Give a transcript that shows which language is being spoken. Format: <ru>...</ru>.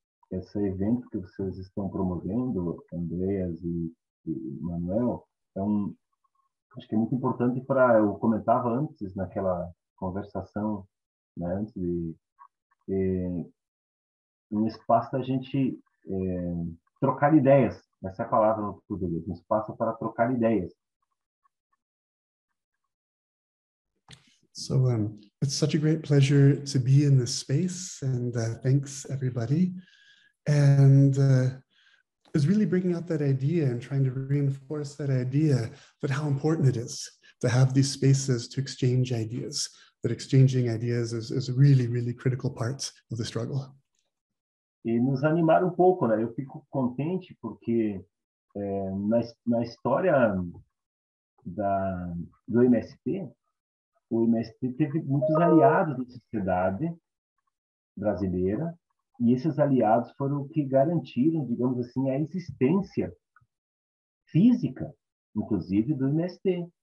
<pt>Esse evento que vocês estão promovendo, Andreas e Manuel, acho que é muito importante para. Eu comentava antes, naquela conversação, né? Antes de. Um espaço da gente trocar ideias, essa é a palavra no português, um espaço para trocar ideias.</pt> <en>So it's such a great pleasure to be in this space, and thanks everybody. And it's really bringing out that idea and trying to reinforce that idea that how important it is to have these spaces to exchange ideas, that exchanging ideas is a really, really critical part of the struggle.</en> <pt>E nos animar um pouco, né? Eu fico contente porque na história do MST, o MST teve muitos aliados na sociedade brasileira, e esses aliados foram o que garantiram, digamos assim, a existência física, inclusive, do MST.</pt>